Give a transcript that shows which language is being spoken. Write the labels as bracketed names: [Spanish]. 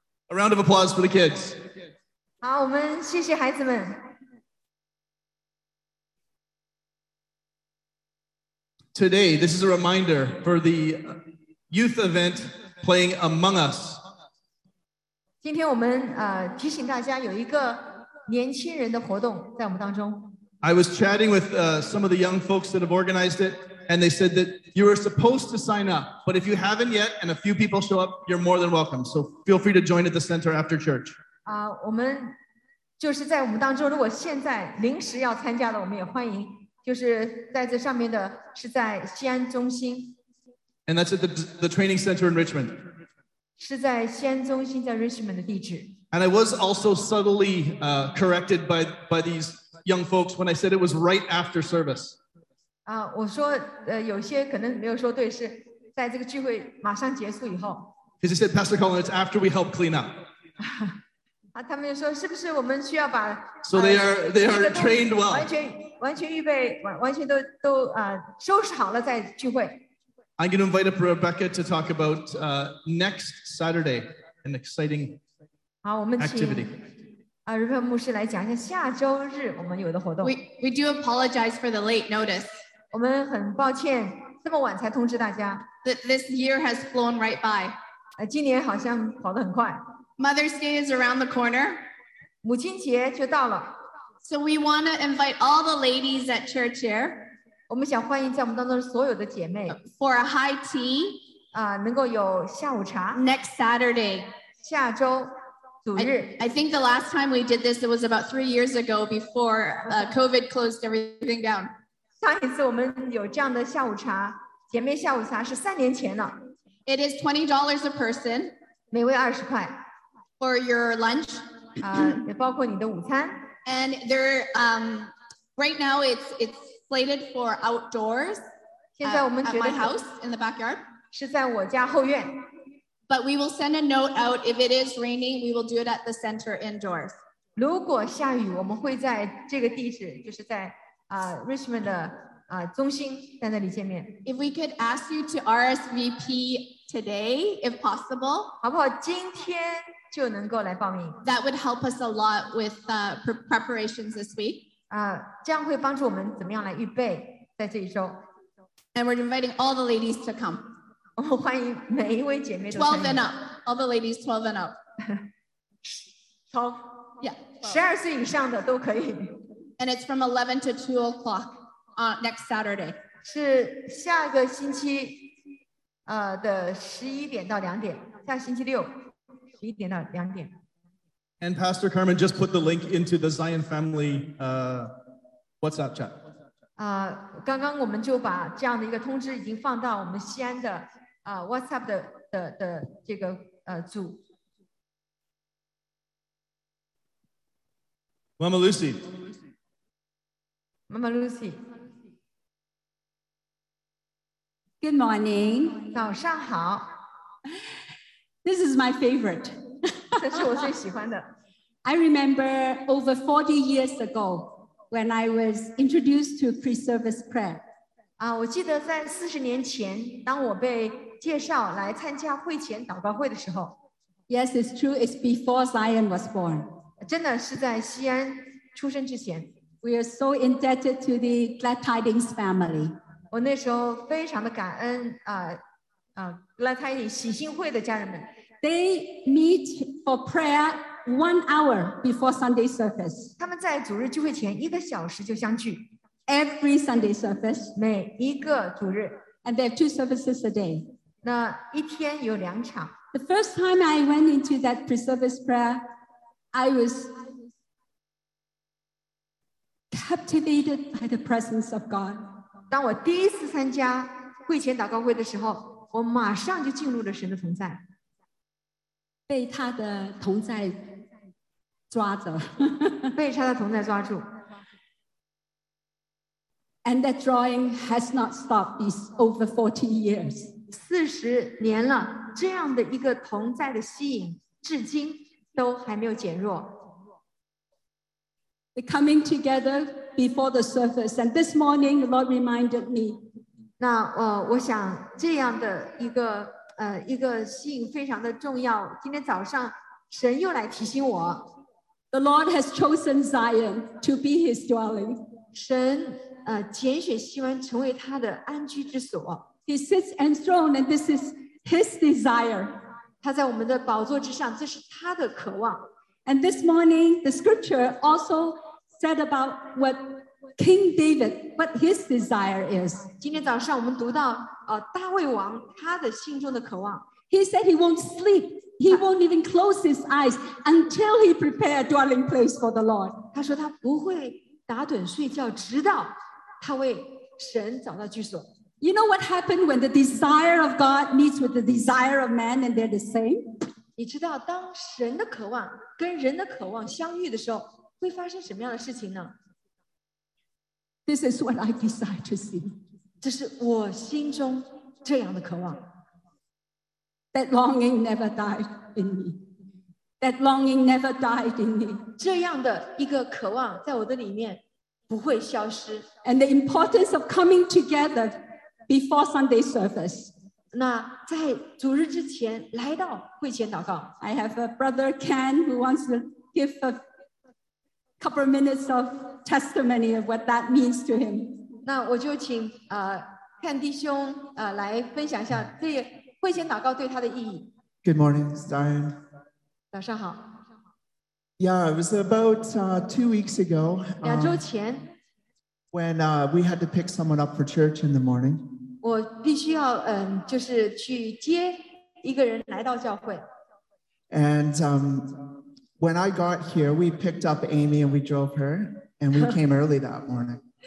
[English] A round of applause for the kids. [Chinese] 好，我们谢谢孩子们。 [English] Today, this is a reminder for the youth event playing Among Us. [Chinese] 今天我们提醒大家有一个年轻人的活动在我们当中。 [English] I was chatting with some of the young folks that have organized it, and they said that you are supposed to sign up, but if you haven't yet and a few people show up, you're more than welcome. So feel free to join at the center after church. [Chinese] 我们就是在我们当中，如果现在临时要参加的，我们也欢迎。就是在这上面的是在西安中心。 [English] And that's at the training center in Richmond. [Chinese] 是在西安中心，在 Richmond 的地址。 [English] And I was also subtly corrected by these young folks when I said it was right after service. [Chinese] 我说有些可能没有说对，是在这个聚会马上结束以后。 [English] Because they said, Pastor Colin, it's after we help clean up. [Chinese] 他们说是不是我们需要把 [English] So they are trained well. [Chinese] 完全预备，完全都收拾好了再聚会。 [English] I'm going to invite up Rebecca to talk about next Saturday, an exciting activity. [Chinese] Rebecca 牧师来讲一下下周日我们有的活动。 [English] We do apologize for the late notice. [Chinese] 我们很抱歉这么晚才通知大家。 [English] This year has flown right by. [Chinese] 今年好像跑得很快。 [English] Mother's Day is around the corner. [Chinese] 母亲节就到了。 [English] So we want to invite all the ladies at church here. [Chinese] 我们想欢迎在我们当中所有的姐妹。 [English] For a high tea. [Chinese] 能够有下午茶。 [English] Next Saturday. [Chinese] 下周主日。 [English] I think the last time we did this, it was about 3 years ago before COVID closed everything down. [Chinese] 上一次我们有这样的下午茶，姐妹下午茶是三年前了。 [English] It is $20 a person. [Chinese] 每位二十块。 [English] For your lunch. [Chinese] 也包括你的午餐。 [English] And there, right now it's slated for outdoors at my house in the backyard. [Chinese] 是在我家后院。 [English] But we will send a note out if it is raining. We will do it at the center indoors. [Chinese] 如果下雨，我们会在这个地址，就是在Richmond 的中心，在那里见面。 [English] If we could ask you to RSVP today, if possible, [Chinese] 好不好？今天。就能够来报名。 [English] That would help us a lot with preparations this week. [Chinese] 这样会帮助我们怎么样来预备在这一周。 [English] And we're inviting all the ladies to come. [Chinese] 我们欢迎每一位姐妹都参与。 [English] 12 and up, all the ladies 12 and up. 12? Yeah. [Chinese] 12岁以上的都可以。 [English] And it's from 11 to 2 o'clock next Saturday. [Chinese] 是下个星期的11点到2点，下星期六。 [English] And Pastor Carmen just put the link into the Zion Family WhatsApp chat. [Chinese] 刚刚我们就把这样的一个通知已经放到我们西安的WhatsApp 的这个组。 [English] Mama Lucy. Mama Lucy. Good morning. [Chinese] 早上好。 [English] This is my favorite. [Chinese] 这是我最喜欢的。 [English] I remember over 40 years ago when I was introduced to pre-service prayer. [Chinese] 我记得在40年前，当我被介绍来参加会前祷告会的时候。 [English] Yes, it's true. It's before Zion was born. [Chinese] 真的是在西安出生之前。 [English] We are so indebted to the Glad Tidings family. [Chinese] 我那时候非常的感恩Glad Tidings 喜信会的家人们。 [English] They meet for prayer 1 hour before Sunday service. [Chinese] 他们在主日聚会前一个小时就相聚。 [English] Every Sunday service. [Chinese] 每一个主日。 [English] And they have 2 services a day. [Chinese] 那一天有两场。 [English] The first time I went into that pre-service prayer, I was captivated by the presence of God. [Chinese] 当我第一次参加会前祷告会的时候，我马上就进入了神的同在。被他的同在抓着被他的同在抓住。 [English] And that drawing has not stopped these over 40 years. [Chinese] 40年了，这样的一个同在的吸引至今都还没有减弱。 [English] the coming together before the service. And this morning, the Lord reminded me. [Chinese] 那我想这样的一个信非常的重要。今天早上神又来提醒我。 [English] The Lord has chosen Zion to be his dwelling. [Chinese] 神拣选锡安成为他的安居之所。 [English] He sits enthroned and this is his desire. [Chinese] 他在我们的宝座之上，这是他的渴望。 [English] And this morning, the scripture also said about what King David, what his desire is. [Chinese] 今天早上我们读到大卫王他的心中的渴望。 [English] He said he won't sleep. He won't even close his eyes until he prepare a dwelling place for the Lord. [Chinese] 他说他不会打盹睡觉，直到他为神找到居所。 [English] You know what happened when the desire of God meets with the desire of man and they're the same? [Chinese] 你知道当神的渴望跟人的渴望相遇的时候会发生什么样的事情呢？ [English] This is what I desire to see. [Chinese] 这是我心中这样的渴望。 [English] That longing never died in me. That longing never died in me. [Chinese] 这样的一个渴望在我的里面不会消失。 [English] And the importance of coming together before Sunday service. [Chinese] 那在主日之前来到会前祷告。 [English] I have a brother Ken who wants to give a couple of minutes of testimony of what that means to him. [Chinese] 那我就请Ken弟兄来分享一下这会前祷告对他的意义。 [English] Good morning, Zion. [Chinese] 早上好。 [English] Yeah, it was about 2 weeks ago. [Chinese] 两周前。 [English] When we had to pick someone up for church in the morning. [Chinese] 我必须要就是去接一个人来到教会。 [English] And when I got here, we picked up Amy and we drove her, and we came early that morning.